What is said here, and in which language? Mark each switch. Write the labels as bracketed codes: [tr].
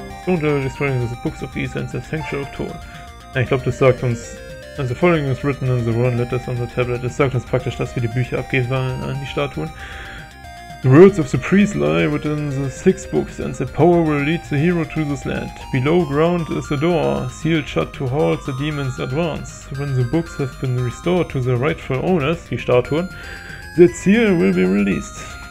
[en] Stone Destroying the Books of East and the Sanctuary of Tor. [de] Ja, ich glaube, das sagt uns. [en] Also, following is written in the Ruin Letters on the Tablet. [de] Es sagt uns praktisch, dass wir die Bücher abgeben sollen an die Statuen. [en] The words of the priest lie within the six books, and the power will lead the hero to this land. Below ground is a door, sealed shut to halt the demons advance. When the books have been restored to their rightful owners, [de] die Statuen, [en] the seal will be released.